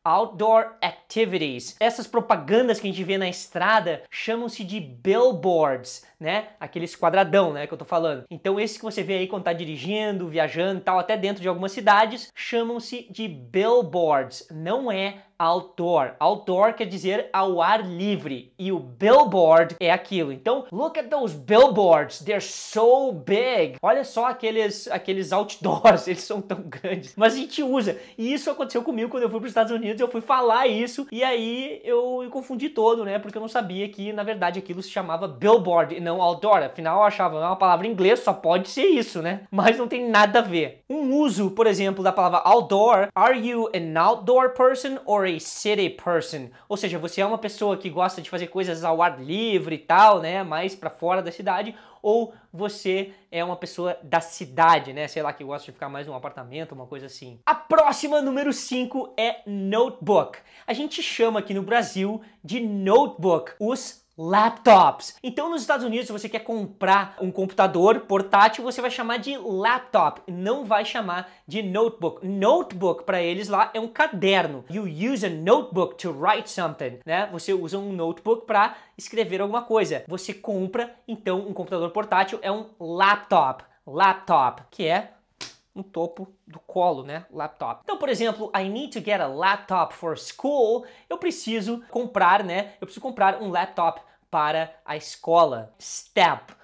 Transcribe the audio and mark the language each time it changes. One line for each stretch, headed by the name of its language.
Portuguese: Outdoor activities. Essas propagandas que a gente vê na estrada chamam-se de billboards, né? Aqueles quadradão, né? Que eu tô falando. Então esses que você vê aí quando tá dirigindo, viajando e tal, até dentro de algumas cidades, chamam-se de billboards, não é outdoor. Outdoor quer dizer ao ar livre, e o billboard é aquilo.
English: Então, look at those billboards, they're so big.
Portuguese: Olha só aqueles outdoors, eles são tão grandes. Mas a gente usa, e isso aconteceu comigo quando eu fui para os Estados Unidos, eu fui falar isso, e aí eu me confundi todo, né, porque eu não sabia que, na verdade, aquilo se chamava billboard e não outdoor. Afinal, eu achava, é uma palavra em inglês, só pode ser isso, né? Mas não tem nada a ver. Um uso, por exemplo, da palavra outdoor,
English: are you an outdoor person or a city person?
Portuguese: Ou seja, você é uma pessoa que gosta de fazer coisas ao ar livre e tal, né? Mais pra fora da cidade. Ou você é uma pessoa da cidade, né? Sei lá, que gosta de ficar mais num apartamento, uma coisa assim. A próxima, número 5, é notebook. A gente chama aqui no Brasil de notebook os laptops. Então, nos Estados Unidos, se você quer comprar um computador portátil, você vai chamar de laptop, não vai chamar de notebook. Notebook, para eles lá, é um caderno.
English: You use a notebook to write something, né?
Portuguese: Você usa um notebook para escrever alguma coisa. Você compra, então, um computador portátil, é um laptop. Laptop, que é no topo do colo, né? Laptop. Então, por exemplo,
English: I need to get a laptop for school.
Portuguese: Eu preciso comprar, né? Eu preciso comprar um laptop para a escola. Step.